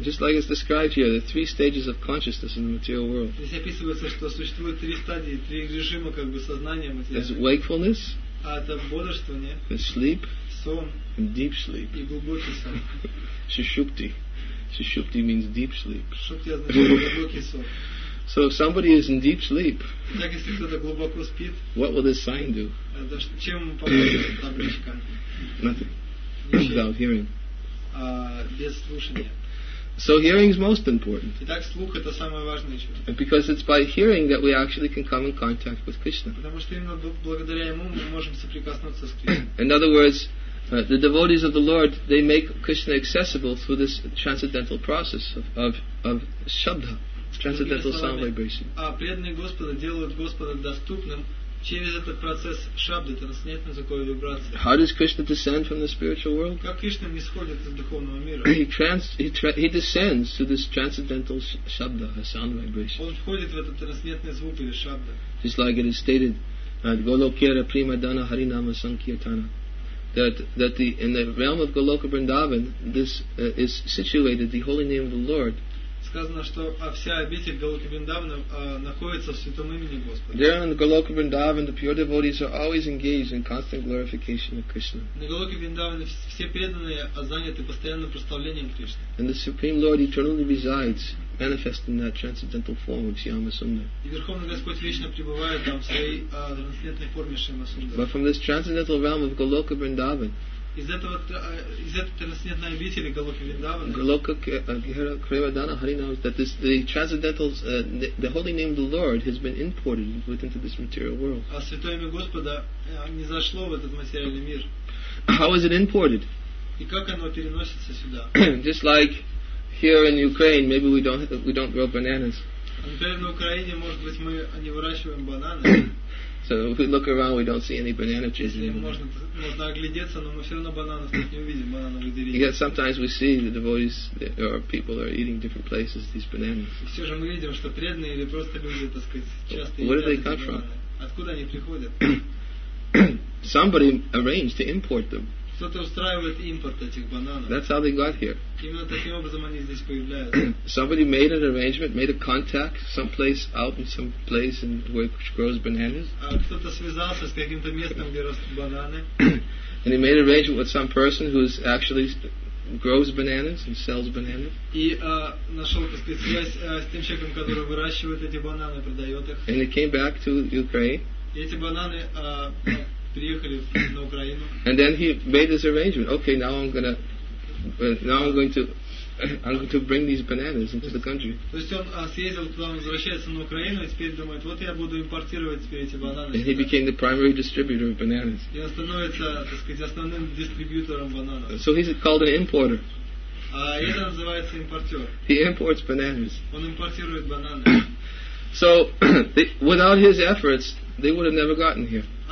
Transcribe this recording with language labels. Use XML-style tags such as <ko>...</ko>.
<en>Just like it's described here, the three stages of consciousness in the material world.</en> <ru>Здесь описывается, что существует три стадии, три режима как бы сознания материального.</ru> <en>There's wakefulness.</en> <ru>А это бодрствование.</ru> <en>There's sleep.</en> <ru>Сон.</ru> <en>And deep sleep.</en> <ru>И глубокий сон.</ru> <en>Сушупти. Сушупти means deep sleep.</en> <ru>Сушупти означает глубокий сон.</ru> <en>So if somebody is in deep sleep,</en> <ru>так если кто-то глубоко спит,</ru> <en>what will this sign do?</en> <ru>Это чем поможет эта табличка?</ru> <en>Nothing. Without hearing.</en> <ru>Без слушания.</ru> <en>So hearing is most important.</en> <ru>Итак, слух это самое важное чувство.</ru> <en>And because it's by hearing that we actually can come in contact with Krishna.</en> <ru>Потому что именно благодаря ему мы можем соприкоснуться с Кришной.</ru> <en>In other words, the devotees of the Lord, they make Krishna accessible through this transcendental process of shabda, transcendental sound vibration.</en> <ru>А преданные Господа делают Господа доступным. Через этот процесс шабды, трансцендентной звуковой вибрации.</ru> <en>How does Krishna descend from the spiritual world?</en> <ru>Как Кришна нисходит из духовного мира?</ru> <en>He descends to this transcendental shabda, a sound vibration.</en> <ru>Он входит в этот трансцендентный звук или шабда.</ru> <en>Just like it is stated, Golokera Prima Dana Harinama Sankirtana. That the in the realm of Goloka Vrindavan, this is situated the holy name of the Lord.</en> <ru>Сказано, что вся обитель Голока Вриндавана находится в святом имени Господа.</ru> <en>There in Goloka Vrindavan, the pure devotees are always engaged in constant glorification of Krishna.</en> <ru>На Голоке Вриндаване все преданные заняты постоянным прославлением Кришны.</ru> <en>And the Supreme Lord eternally resides, manifest in that transcendental form of Shyama Sundara.</en> <ru>И Верховный Господь вечно пребывает там в своей трансцендентной форме Шьяма Сундара.</ru> <en>But from this transcendental realm of Goloka Vrindavan. The holy name of the Lord has been imported into this material world.</en> <ru>А святое имя Господа не зашло в этот материальный мир.</ru> <en>How is it imported?</en> <ru>И как оно переносится сюда?</ru> <en>Just like here in Ukraine, maybe we don't grow bananas.</en> <ru>Например, на Украине, может быть, мы не выращиваем бананы.</ru> <en>So if we look around, we don't see any banana trees anymore.</en> <ru>Можно оглядеться, но мы все равно бананов тут не увидим, банановые деревья.</ru> <en>Yet sometimes we see the devotees or people are eating different places these bananas.</en> <ru>Все же мы видим, что преданные или просто люди, так сказать, часто.</ru> <en>Where do they come from?</en> <ru>Откуда они приходят?</ru> <en>Somebody arranged to import them.</en> <ru>Кто-то устраивает импорт этих бананов.</ru> <en>That's how they got here.</en> <ru>Именно таким образом они здесь появляются.</ru> <en>Somebody made an arrangement, made a contact, someplace out in some place in which grows bananas.</en> <ru>Кто-то связался с каким-то местом, где растут бананы.</ru> <en>And he made an arrangement with some person who is actually grows bananas and sells bananas.</en> <ru>И нашел связь с тем человеком, который выращивает эти бананы, продает их.</ru> <en>And he came back to Ukraine.</en> <ru>И эти бананы приехали на Украину.</ru> <en>And then he made this arrangement. Okay, now I'm going to bring these bananas into the country.</en> <ru>То есть он съездил туда, возвращается на Украину, и теперь думает, вот я буду импортировать теперь эти бананы.</ru> <en>And he became the primary distributor of bananas.</en> <ru>И он становится, так сказать, основным дистрибьютором бананов.</ru> <en>So he's called an importer.</en> <ru>А это называется импортер.</ru> <en>He imports bananas.</en> <ru>Он импортирует бананы.</ru> <en>So without his efforts, they would have never gotten here.</en>